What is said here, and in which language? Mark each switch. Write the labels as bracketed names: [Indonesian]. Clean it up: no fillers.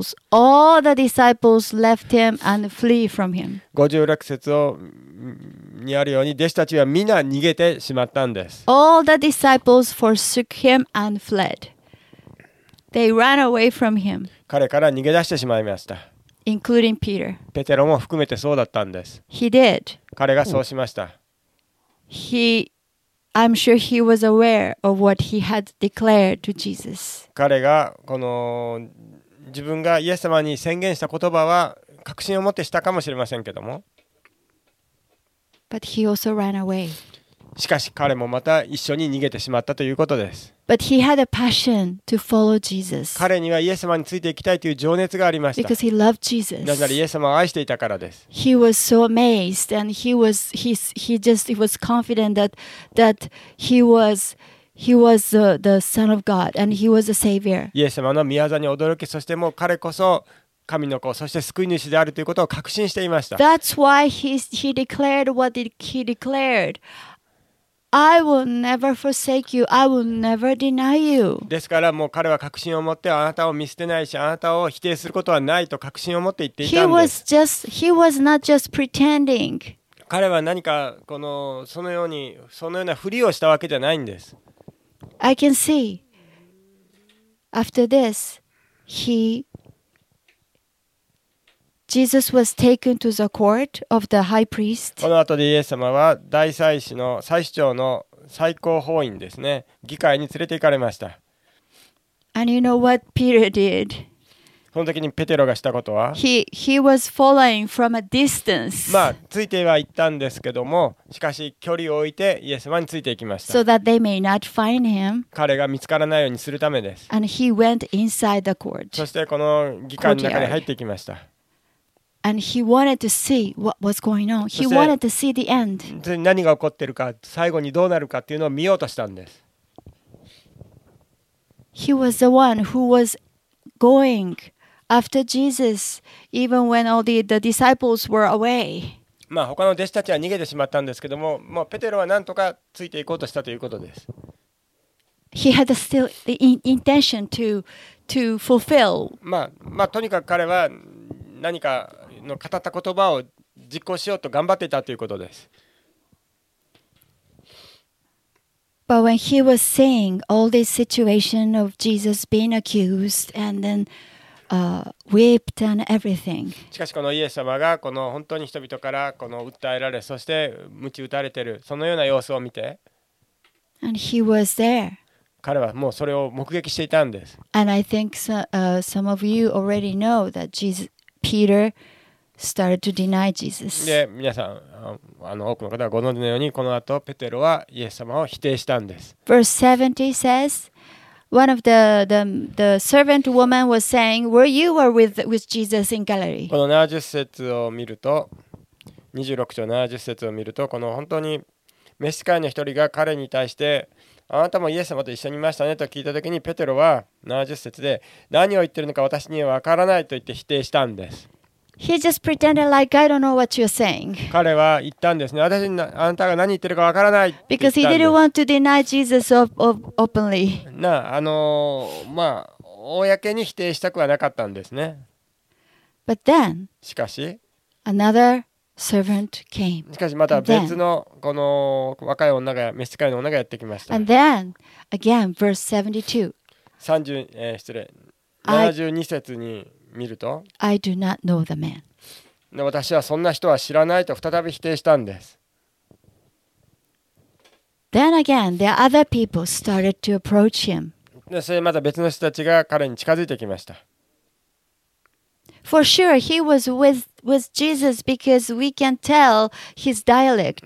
[English] All the disciples left him and flee from him. [Japanese] 56節にあるように弟子たちは皆逃げてしまったんです。 [English] All the disciples forsook him and fled. They ran away from him. [Japanese] 彼から逃げ出してしまいました。 [English] Including Peter. [Japanese] ペテロも含めてそうだったんです。 [English] He did. [Japanese] 彼がそうしました。 [English] I'm sure he was aware of what he had declared to Jesus. [Japanese] 彼がこの自分がイエス様に宣言した言葉は確信を持ってしたかもしれませんけども。 [English] But he also ran away. [Japanese] しかし彼もまた一緒に逃げてしまったということです。 [English] But he had a passion to follow Jesus. [Japanese] 彼にはイエス様についていきたいという情熱がありました。 [English] Because he loved Jesus. [Japanese] なぜならイエス様を愛していたからです。 [English] He was so amazed, and he was confident that he was the Son of God, and he was the Savior. [Japanese] イエス様の御業に驚き、そしてもう彼こそ神の子、そして救い主であるということを確信していました。 [English] That's why he declared what he declared. I will never forsake you. I will never deny you. [Japanese] ですからもう彼は確信を持ってあなたを見捨てないし、あなたを否定することはないと確信を持って言っていたんです。 [English] He was not just pretending. [Japanese] 彼は何かこのそのようにそのようなふりをしたわけじゃないんです。 [English] I can see. After this, Jesus was taken to the court of the high priest. [Japanese] この後でイエス様は大祭司の祭司長の最高法院ですね、議会に連れて行かれました。 [English] And you know what Peter did? [Japanese] その時にペテロがしたことは、 [English] He was following from a distance. [Japanese] まあついては行ったんですけども、しかし距離を置いてイエス様についていきました。 [English] So that they may not find him. [Japanese] 彼が見つからないようにするためです。 [English] And he went inside the court. [Japanese] そしてこの議会の中に入っていきました。 [English] And he wanted to see what was going on. He wanted to see the end. [Japanese] 何が起こっているか、最後にどうなるかっていうのを見ようとしたんです。 [English] He was the one who was going after Jesus, even when all the disciples were away. [Japanese] まあ他の弟子たちは逃げてしまったんですけども、もうペテロはなんとかついていこうとしたということです。 [English] He had still the intention to fulfill. [Japanese] まあとにかく彼は何かの語った言葉を実行しようと頑張っていたということです。 [English] But when he was saying all this situation of Jesus being accused and then whipped and everything. [Japanese] しかしこのイエス様がこの本当に人々からこの訴えられ、そして鞭打たれているそのような様子を見て、 [English] and he was there. [Japanese] 彼はもうそれを目撃していたんです。 [English] And I think some of you already know that Jesus, Peter. started to deny Jesus. [Japanese] で、皆さん、あの多くの方はご存知のように、この後ペテロはイエス様を否定したんです。 [English] Verse 70 says, one of the servant woman was saying, "Were you were with Jesus in Galilee?" [Japanese] この七十節を見ると、26章七十節を見ると、この本当に召し使いの一人が彼に対して、あなたもイエス様と一緒にいましたねと聞いたときに、ペテロは70節で何を言ってるのか私にはわからないと言って否定したんです。 [English] He just pretended like I don't know what you're saying. [Japanese] 彼は言ったんですね、私にあなたが何言ってるかわからないって言ったんです。 [English] Because he didn't want to deny Jesus openly. [Japanese] なあ、まあ公に否定したくはなかったんですね。 [English] But then, [Japanese] しかし [English] anotherservant came. [Japanese] しかしまた別のこの若い女が、召使いの女がやってきました。 [English] And then, again, verse [Japanese] 72. 72節に見ると、 [English] I do not know the man. [Japanese] 私はそんな人は知らないと再び否定したんです。 [English] Then again, the other people started to approach him. [Japanese] で、それまた別の人たちが彼に近づいてきました。 [English] For sure, he was with Jesus because we can tell his dialect.